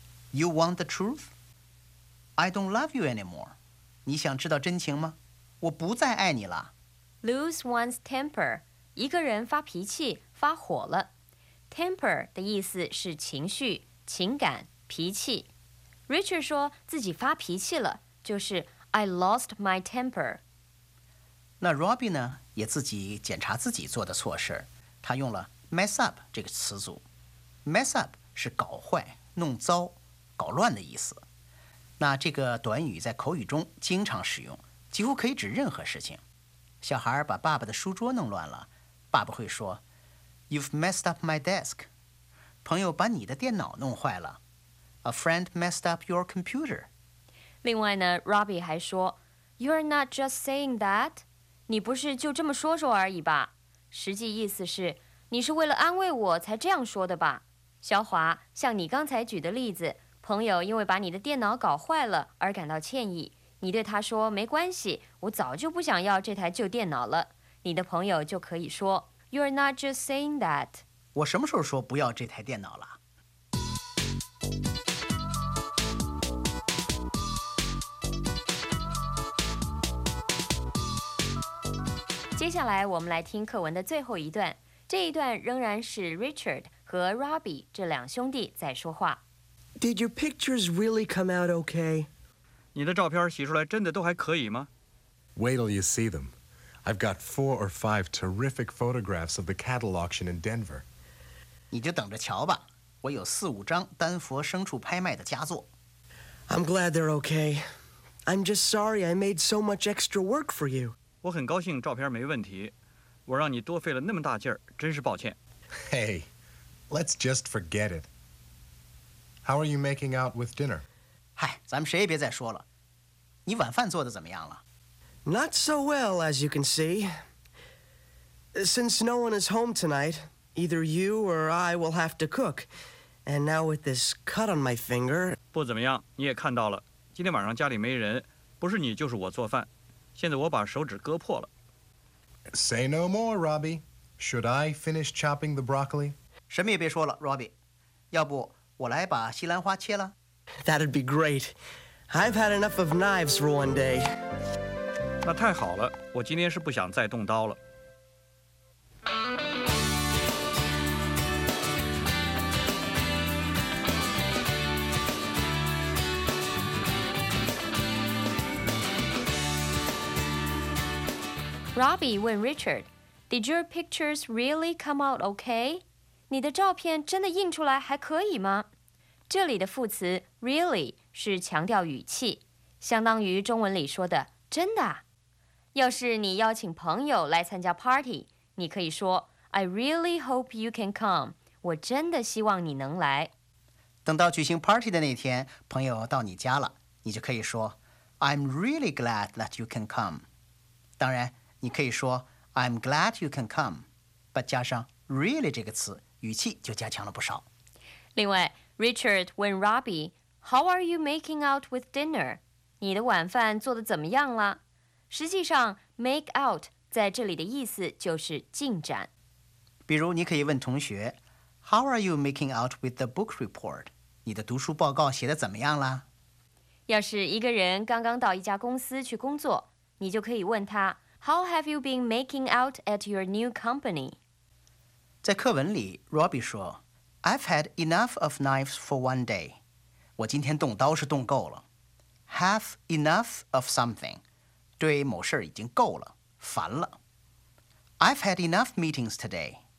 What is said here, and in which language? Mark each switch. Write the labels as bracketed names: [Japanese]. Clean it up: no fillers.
[English] You want the truth? I don't love you anymore. [Chinese] 你想知道真情吗？我不再爱你了。 [English] Lose one's temper. [Chinese] 一个人发脾气，发火了。 Temper 的意思是情绪、情感、脾气。 Richard 说自己发脾气了，就是 [English] I lost my temper. [Chinese] 那 Robbie 呢，也自己检查自己做的错事，他用了 mess up 这个词组。 Mess up 是搞坏、弄糟、搞乱的意思。那这个短语在口语中经常使用，几乎可以指任何事情。小孩把爸爸的书桌弄乱了，爸爸会说 [English] You've messed up my desk. [Chinese] 朋友把你的电脑弄坏了， [English] A friend messed up your computer. [Chinese] 另外呢， Robbie 还说 [English] You're not just saying that. [Chinese] 你不是就这么说说而已吧，实际意思是你是为了安慰我才这样说的吧。小华，像你刚才举的例子，朋友因为把你的电脑搞坏了而感到歉意，你对他说没关系，我早就不想要这台旧电脑了，你的朋友就可以说 [English] You're not just saying that. [Chinese] 我什么时候说不要这台电脑了？接下来我们来听课文的最后一段，这一段仍然是 Richard 和 Robbie 这两兄弟在说话。 [English] Did your pictures really come out okay? [Chinese] 你的照片洗出来真的都还可以吗？ [English] Wait till you see them. I've got 4 or 5 terrific photographs of the cattle auction in Denver. [Chinese] 你就等着瞧吧，我有4-5张丹佛牲畜拍卖的佳作。 [English] I'm glad they're okay. I'm just sorry I made so much extra work for you. [Chinese] 我很高兴照片没问题，我让你多费了那么大劲儿，真是抱歉。 [English] Hey, let's just forget it. How are you making out with dinner? [Chinese] 嗨，咱们谁也别再说了。你晚饭做得怎么样了？ [English] Not so well, as you can see. Since no one is home tonight, either you or I will have to cook. And now with this cut on my finger... [Chinese] 不怎么样，你也看到了。今天晚上家里没人，不是你就是我做饭。现在我把手指割破了。 [English] Say no more, Robbie. Should I finish chopping the broccoli? [Chinese] 什么也别说了，Robbie。要不我来把西兰花切了。 [English] That'd be great. I've had enough of knives for one day. [Chinese] 那太好了，我今天是不想再动刀了。 [English] Robbie 问 Richard, Did your pictures really come out okay? [Chinese] 你的照片真的印出来还可以吗？这里的副词 really 是强调语气，相当于中文里说的真的。要是你邀请朋友来参加 party， 你可以说 [English] I really hope you can come， [Chinese] 我真的希望你能来。等到举行 party 的那天，朋友到你家了，你就可以说 [English] I'm really glad that you can come。 [Chinese] 当然你可以说 [English] I'm glad you can come， but [Chinese] 加上 really 这个词，语气就加强了不少。另外 [English] Richard 问 Robbie, How are you making out with dinner? [Chinese] 你的晚饭做得怎么样了？实际上 make out 在这里的意思就是进展。比如你可以问同学 [English] How are you making out with the book report? [Chinese] 你的读书报告写得怎么样了？要是一个人刚刚到一家公司去工作，你就可以问他 [English] How have you been making out at your new company? [Chinese] 在课文里 Robbie 说 [English] I've had enough of knives for one day. [Chinese] 我今天动刀是动够了。 [English] Have enough of something. [Chinese] 对某事已经够了，烦了。 [English] I've had enough meetings today.